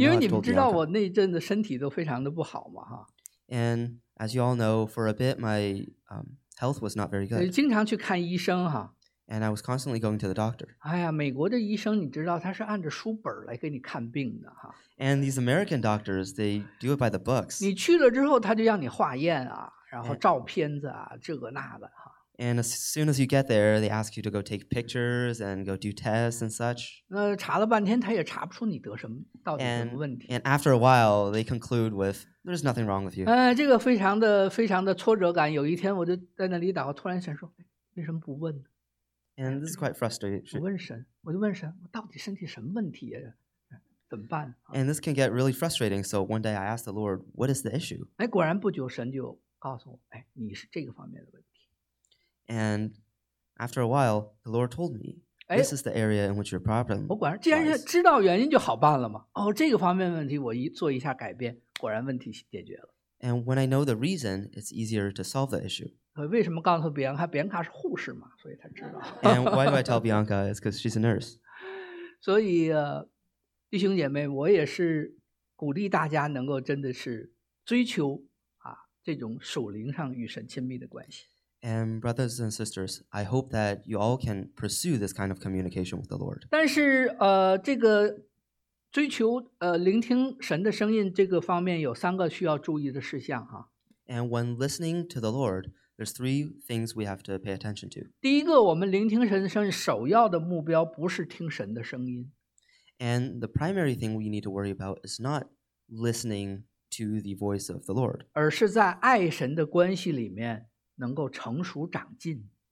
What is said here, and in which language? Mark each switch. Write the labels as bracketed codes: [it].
[en] I've told Bianca. [zh] 因为你们知道我那阵子身体都非常的不好嘛哈。 [en] And as you all know, for a bit, my health was not very good. [zh] 经常去看医生哈。 [en] And I was constantly going to the doctor. [zh] 哎呀，美国的医生，你知道他是按着书本来给你看病的哈。 [en] And these American doctors, they do it by the books. [zh] 你去了之后，他就让你化验啊，然后照片子啊，这个那的哈。 [en] And as soon as you get there, they ask you to go take pictures and go do tests and such. [zh] 那查了半天，他也查不出你得什么，到底什么问题。 [en] And after a while, they conclude with, "There's nothing wrong with you." [zh] 这个非常的非常的挫折感。有一天，我就在那里祷告，突然想说，为什么不问呢？ [en] And this is quite frustrating. [zh] 我问神，我就问神，我到底身体什么问题呀？怎么办？ [en] And this can get really frustrating. So one day I asked the Lord, "What is the issue?" [zh] 哎，果然不久神就告诉我，哎，你是这个方面的问题。 [en] And after a while, the Lord told me, "This is the area in which your problem." [zh] 我果然，既然是知道原因，就好办了嘛。哦，这个方面问题，我一做一下改变，果然问题解决了。 [en] And when I know the reason, it's easier to solve the issue. [zh] 为什么告诉 Bianca？ Bianca 是护士嘛，所以她知道。 [en] And why do I tell Bianca? It's because she's a nurse. [zh] 所以，弟兄姐妹，我也是鼓励大家能够真的是追求啊这种属灵上与神亲密的关系。 [en] And brothers and sisters, I hope that you all can pursue this kind of communication with the Lord. [zh] 但是，这个追求聆听神的声音这个方面有三个需要注意的事项哈。 [en] And when listening to the Lord. There's three things we have to pay attention to. [zh] 第一个，我们聆听神的声音，首要的目标不是听神的声音。 [en] And the primary thing we need to worry about is not listening to the voice of the Lord. [zh] 而是在爱神的关系里面能够成熟长进。